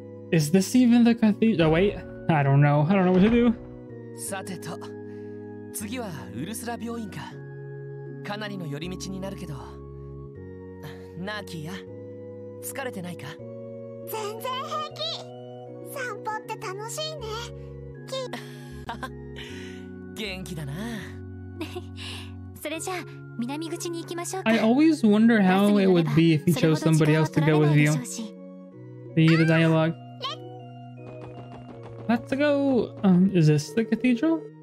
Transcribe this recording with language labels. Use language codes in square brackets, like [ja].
[en] Is this even the cathedral? Wait, I don't know. I don't know what to do. [ja] さてと、次はウルスラ病院か。かなりの寄り道になるけど。ナーキーや、疲れてないか？全然平気。散歩って楽しいね。元気だな。それじゃあ南口に行きましょうか。 [en] I always wonder how it would be if you chose somebody else to go with you. See the dialogue. Let's go. Is this the cathedral?